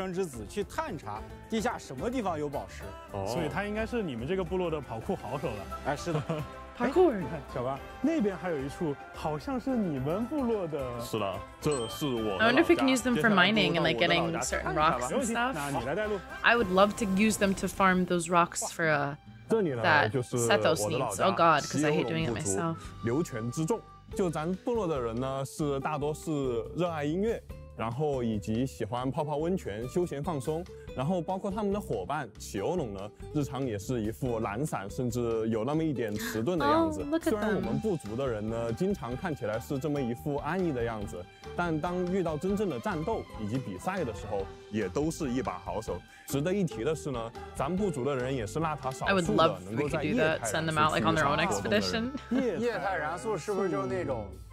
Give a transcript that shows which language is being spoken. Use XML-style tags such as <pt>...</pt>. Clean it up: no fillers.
<zh>有很多值得去挖掘的区域，你刚才也说，对吧？你们部落是以宝石和挖掘做建长的，那你们的战斗伙伴，也就是疾风龙，想必也非常擅长这个领域的一些能力吧？疾风龙虽然在地面上移动，看起来憨态可掬，但是借助燃素，它可以在地下快速的移动，还能翻山越岭，同时也能帮我们回声之子去探查地下什么地方有宝石，所以它应该是你们这个部落的跑酷好手了。哎，是的。</zh> <en>Parkour.</en> <zh>小巴，那边还有一处，好像是你们部落的。是的，这是我的老家。</zh> <en>I wonder if we can use them for mining and like getting certain rocks and stuff. I would love to use them to farm those rocks for a. That Sethos needs. Oh God, because I hate doing it myself.</en> <zh>流泉之众，就咱部落的人呢，是大多是热爱音乐。然后以及喜欢泡泡温泉、休闲放松，然后包括他们的伙伴齐欧龙呢，日常也是一副懒散，甚至有那么一点迟钝的样子。虽然我们部族的人呢，经常看起来是这么一副安逸的样子，但当遇到真正的战斗以及比赛的时候，也都是一把好手。值得一提的是呢，咱部族的人也是纳塔少数的能够在液态燃素，是不是就那种？</zh>